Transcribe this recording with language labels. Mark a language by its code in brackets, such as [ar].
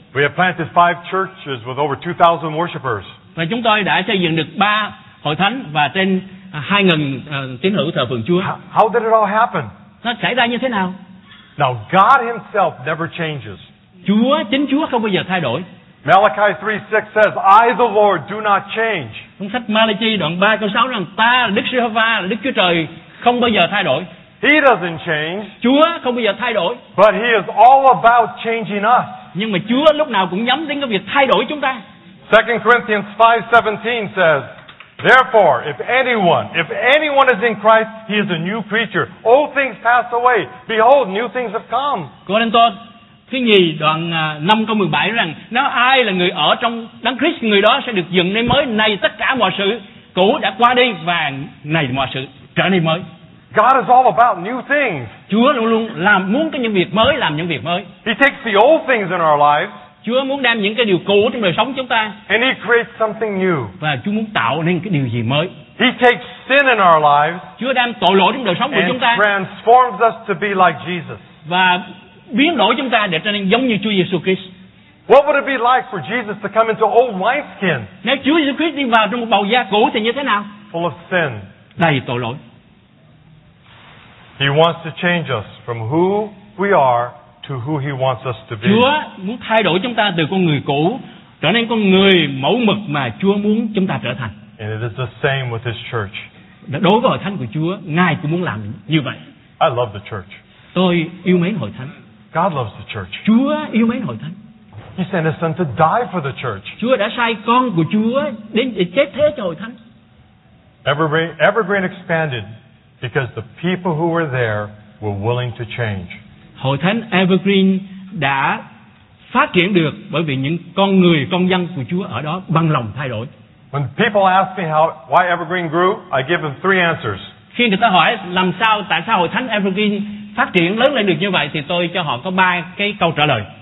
[en] We have planted 5 churches with over 2000 worshipers. [vi] Và chúng tôi đã xây dựng được 3 hội thánh và trên 2000 tín hữu thờ phượng Chúa. [en] How did it all happen? [vi] Nó xảy ra như thế nào? [en] Now God himself never changes. [vi] Chúa, chính Chúa không bao giờ thay đổi. [en] Malachi 3:6 says, I the Lord do not change. [vi] Trong sách Malachi đoạn 3 câu 6 rằng ta là Đức Giê-hô-va là Đức Chúa Trời không bao giờ thay đổi. [en] He doesn't change. [vi] Chúa không bao giờ thay đổi. [en] But he is all about changing us. [vi] Nhưng mà Chúa lúc nào cũng nhắm đến cái việc thay đổi chúng ta. [en] 2 Corinthians 5:17 says, therefore, if anyone is in Christ, he is a new creature. Old things passed away. Behold, new things have come. [vi] Cô-rinh-tô thứ nhì đoạn 5 câu 17 rằng, nếu ai là người ở trong Đấng Christ, người đó sẽ được dựng nên mới. Này tất cả mọi sự cũ đã qua đi và này mọi sự trở nên mới. [en] God is all about new things. [vi] Chúa luôn luôn làm muốn cái những việc mới, làm những việc mới. [en] He takes the old things in our lives. [vi] Chúa muốn đem những cái điều cũ trong đời sống chúng ta. [en] And he creates something new. [vi] Và Chúa muốn tạo nên cái điều gì mới. [en] He takes sin in our lives. [vi] Chúa đem tội lỗi trong đời sống của chúng ta. [en] And transforms us to be like Jesus. [vi] Và biến đổi chúng ta để trở nên giống như Chúa Giêsu Christ. [en] What would it be like for Jesus to come into old wineskin? [vi] Nếu Chúa Giêsu Christ đi vào trong một bầu da cũ thì như thế nào? [en] Full of sin. [vi] Đầy tội lỗi. [en] He wants to change us from who we are to who he wants us to be. [vi] Chúa muốn thay đổi chúng ta từ con người cũ trở nên con người mẫu mực mà Chúa muốn chúng ta trở thành. [en] And it is the same with his church. [vi] Đối với hội thánh của Chúa, Ngài cũng muốn làm như vậy. [en] I love the church. [vi] Tôi yêu mến hội thánh. [en] God loves the church. [vi] Chúa yêu mến hội thánh. [en] He sent his son to die for the church. [vi] Chúa đã sai con của Chúa đến để chết thế cho hội thánh. [en] Evergreen expanded because the people who were there were willing to change. [vi] Hội thánh Evergreen đã phát triển được bởi vì những con người, con dân của Chúa ở đó bằng lòng thay đổi. [en] When people ask me how why Evergreen grew, I give them three answers. [vi] Khi người ta hỏi làm sao, tại sao hội thánh Evergreen phát triển lớn lên được như vậy, thì tôi cho họ có ba cái câu trả lời.